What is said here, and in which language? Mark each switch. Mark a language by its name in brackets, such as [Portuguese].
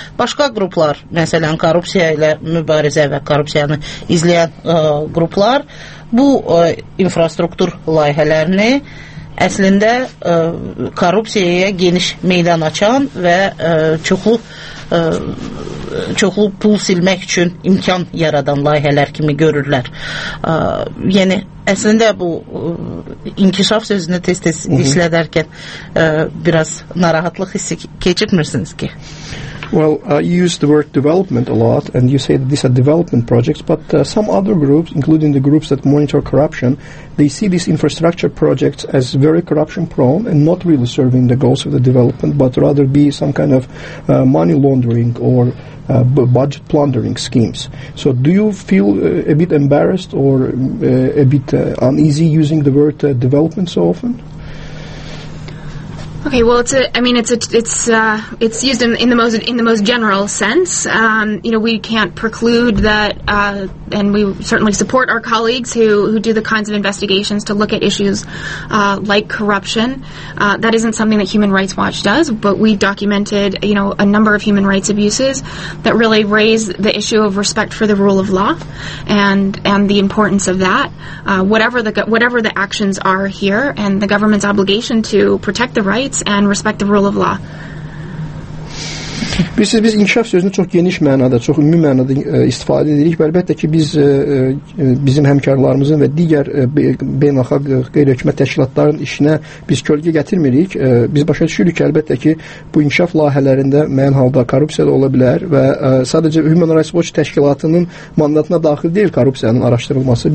[Azerbaijani] Başqa qruplar, məsələn, korrupsiya ilə mübarizə və korrupsiyanı izləyən qruplar, bu infrastruktur layihələrini əslində korrupsiyaya geniş meydan açan və çoxlu pul silmək üçün imkan yaradan layihələr kimi görürlər. Yəni, əslində bu inkişaf sözünü tez-tez işlədərkən biraz narahatlıq hissi keçirmirsiniz ki? [English] Well, you use the word development a lot, and you say that these are development projects, but some other groups, including the groups that monitor corruption, they see these infrastructure projects as very corruption-prone and not really serving the goals of the development, but rather be some kind of money laundering or budget plundering schemes. So do you feel a bit embarrassed or a bit uneasy using the word development so often? Okay, well, it's used in the most general sense. You know, we can't preclude that, and we certainly support our colleagues who do the kinds of investigations to look at issues like corruption. That isn't something that Human Rights Watch does, but we documented, you know, a number of human rights abuses that really raise the issue of respect for the rule of law and the importance of that. Whatever the actions are here, and the government's obligation to protect the rights and respect the rule of law. [Azerbaijani] Biz inkişaf sözünü çox geniş mənada, çox ümumi mənada istifadə edirik və əlbəttə ki, biz bizim həmkarlarımızın və digər beynəlxalq qeyri-hökumət təşkilatlarının işinə biz kölgə gətirmirik. Biz başa düşürük ki, əlbəttə ki, bu inkişaf layihələrində müəyyən halda korrupsiya da ola bilər və sadəcə Human Rights Watch təşkilatının mandatına daxil deyil korrupsiyanın araşdırılması.